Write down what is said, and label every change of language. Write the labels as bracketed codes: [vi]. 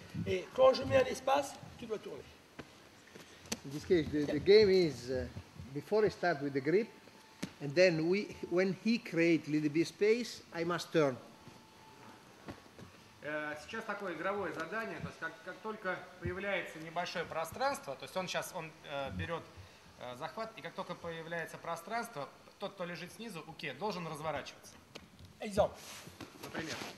[fr] Et quand je mets un espace, tu dois tourner. [en] In this case, the game is before I start with the grip. And then we, when he creates a little bit of space, I must turn. [ru] Сейчас такое игровое задание, то есть как только появляется небольшое пространство, то есть он сейчас он берет захват, и как только появляется пространство, тот, кто лежит снизу, уке, должен разворачиваться. [en] Example. [ru] Например.